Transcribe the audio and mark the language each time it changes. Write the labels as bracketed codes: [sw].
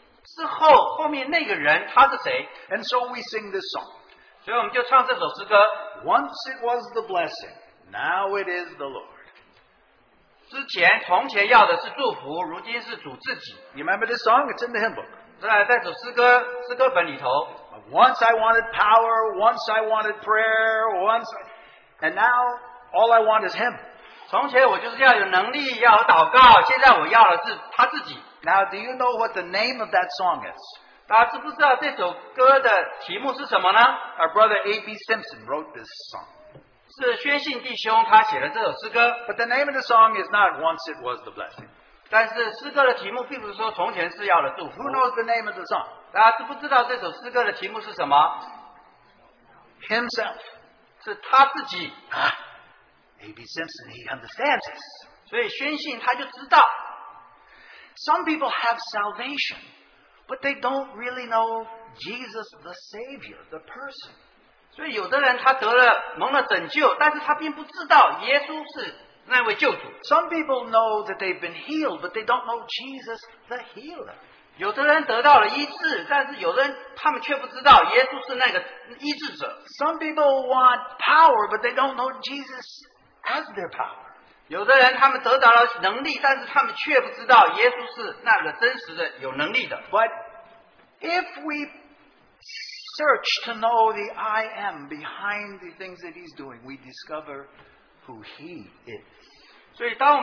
[zh] 就是说在这些做的事情之后，后面那个人他是谁。 [en] And so we sing this song. [zh] 所以我们就唱这首诗歌。 [en] Once it was the blessing, now it is the Lord. [zh] 之前从前要的是祝福，如今是主自己。 [en] You remember this song? It's in the hymn book. [zh] 在这首诗歌本里头。 [en] Once I wanted power, once I wanted prayer, and now all I want is him. [zh] 从前我就是要有能力，要有祷告，现在我要的是他自己。 [en] Now do you know what the name of that song is? [zh] 大家知不知道这首歌的题目是什么呢? [en] Our brother A.B. Simpson wrote this song. [zh] 是宣信弟兄他写的这首诗歌。 [en] But the name of the song is not Once It Was The Blessing. [zh] 但是诗歌的题目并不是说从前是要的祝福。 [en] Who knows the name of the song? [zh] 大家知不知道这首诗歌的题目是什么? [en] himself. [zh] 是他自己, [en] A.B. Simpson, he understands this. [zh] 所以宣信他就知道, [en] some people have salvation, but they don't really know Jesus the Savior, the person. [zh] 所以有的人他得了蒙了拯救，但是他并不知道耶稣是那位救主。 [en] Some people know that they've been healed, but they don't know Jesus the healer. [zh] 有的人得到了医治，但是有人他们却不知道耶稣是那个医治者。 [en] Some people want power, but they don't know Jesus as their power. [zh] 有的人他们得到了能力，但是他们却不知道耶稣是那个真实的有能力的。 [en] But if we search to know the I am behind the things that he's doing, we discover who he is.